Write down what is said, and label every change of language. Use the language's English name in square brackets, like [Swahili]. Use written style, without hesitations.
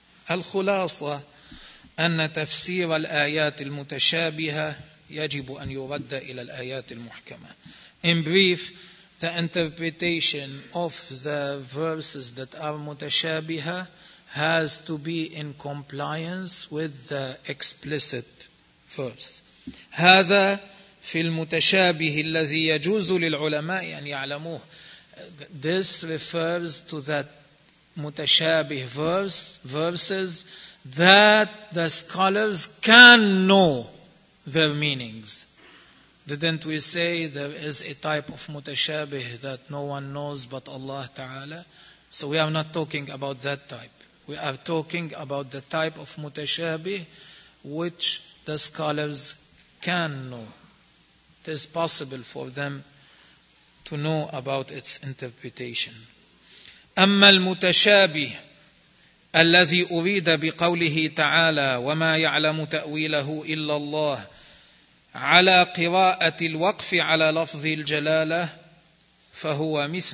[Arabic] الخلاصة أن تفسير الآيات المتشابهة يجب أن يرد إلى الآيات المحكمة. [English] In brief, the interpretation of the verses that are mutashabiha has to be in compliance with the explicit verse. [Arabic] هذا في المتشابه الذي يجوز للعلماء أن يعلموه. [English] This refers to that mutashabih verses that the scholars can know their meanings. Didn't we say there is a type of mutashabih that no one knows but Allah Ta'ala? So we are not talking about that type. We are talking about the type of mutashabih which the scholars can know. It is possible for them to know about its interpretation. [Arabic] أما المتشابه الذي أريد بقوله تعالى وما يعلم تأويله إلا الله على قراءة الوقف على لفظ الجلالة فهو